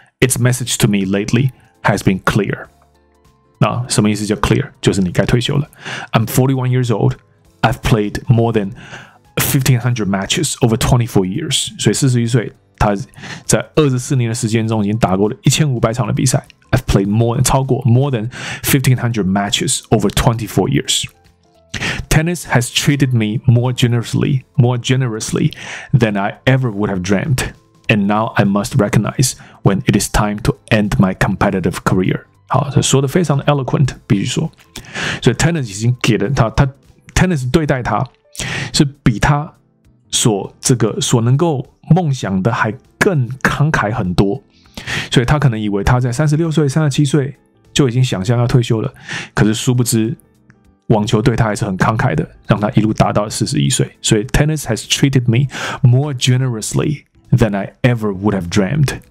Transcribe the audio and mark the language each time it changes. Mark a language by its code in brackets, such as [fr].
[en] Its message to me lately has been clear， [zh] 那什么意思叫 [en] clear？ [zh] 就是你该退休了。 [en] I'm 41 years oldI've played more than 1,500 matches over 24 years. [zh] 所以41岁，他在24年的时间中已经打过了1500场的比赛。 [en] I've played more than 1,500 matches over 24 years. Tennis has treated me more generously than I ever would have dreamt. And now I must recognize when it is time to end my competitive career. [zh] 好，他说的非常的 eloquent， 必须说。所以 Tennis 已经给了他。 Tennis 对待他是比他所这个所能够梦想的还更慷慨很多，所以他可能以为他在36岁37岁就已经想象要退休了，可是殊不知网球对他还是很慷慨的，让他一路达到41岁。所以 [en] Tennis has treated me more generously than I ever would have dreamed。